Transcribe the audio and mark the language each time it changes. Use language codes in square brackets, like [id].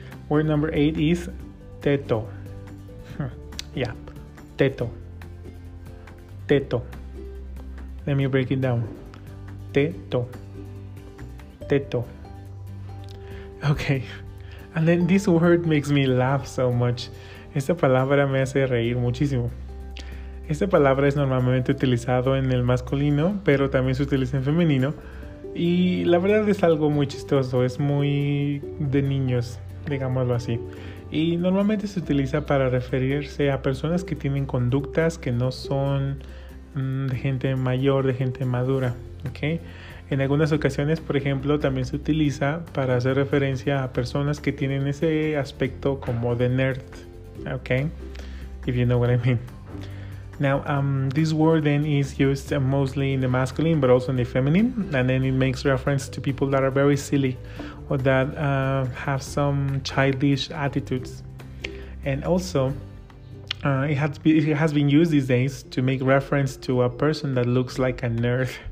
[en] Word number 8 is teto. Yeah, teto. Teto. Let me break it down. Teto. Teto. Okay. And then this word makes me laugh so much. [es] Esta palabra me hace reír muchísimo. Esta palabra es normalmente utilizado en el masculino, pero también se utiliza en femenino. Y la verdad es algo muy chistoso. Es muy de niños, digámoslo así. Y normalmente se utiliza para referirse a personas que tienen conductas que no son de gente mayor, de gente madura, ¿ok? En algunas ocasiones, por ejemplo, también se utiliza para hacer referencia a personas que tienen ese aspecto como de nerd, ¿ok? [en] If you know what I mean. Now, this word then is used mostly in the masculine, but also in the feminine, and then it makes reference to people that are very silly or that have some childish attitudes. And also, It has been used these days to make reference to a person that looks like a nerd.